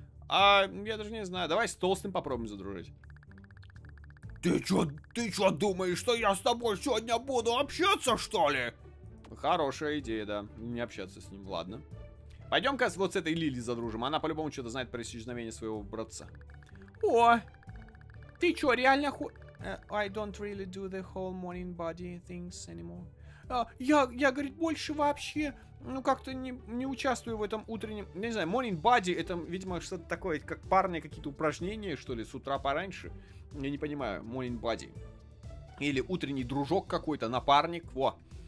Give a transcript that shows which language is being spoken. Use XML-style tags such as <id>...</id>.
<ru>Я даже не знаю. Давай с Толстым попробуем задружить. Ты чё думаешь, что я с тобой сегодня буду общаться, что ли? Хорошая идея, да. Не общаться с ним, ладно. Пойдём-ка вот с этой Лили задружим. Она по-любому что-то знает про исчезновение своего братца. О! Ты чё, реально</ru> <en>I don't really do the whole morning body things anymore.</en> <ru>Я, говорит, больше вообще, ну, как-то не участвую в этом утреннем... Не знаю, morning body, это, видимо, что-то такое, как парные какие-то упражнения, что ли, с утра пораньше. Я не понимаю, morning body. Или утренний дружок какой-то, напарник, во.</ru>